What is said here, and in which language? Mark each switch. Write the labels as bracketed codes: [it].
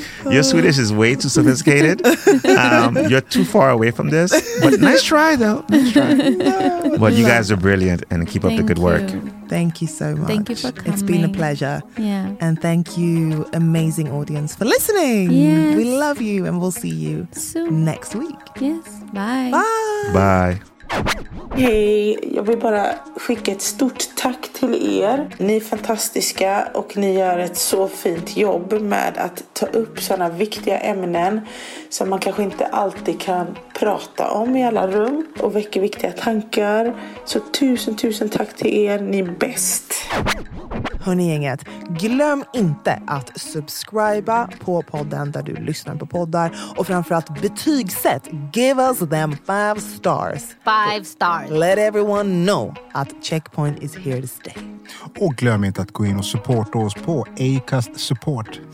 [en] Your Swedish is way too sophisticated. You're too far away from this. But nice try, though. Nice try. But you guys are brilliant, and keep up the good work. Thank you so much. Thank you for coming. It's been a pleasure. Yeah. And thank you, amazing audience, for listening. Yes. We love you, and we'll see you soon next week. Yes. Bye. Bye. Bye. [sv] Hej, jag vill bara skicka ett stort tack till er. Ni är fantastiska och ni gör ett så fint jobb med att ta upp sådana viktiga ämnen som man kanske inte alltid kan prata om i alla rum och väcker viktiga tankar. Så tusen tack till er, ni är bäst. Hörrni gänget, glöm inte att subscriba på podden där du lyssnar på poddar, och framförallt betygsätt, [en] give us them 5 stars. 5 stars. Let everyone know att Checkpoint is here to stay. [sv] Och glöm inte att gå in och supporta oss på Acast Support.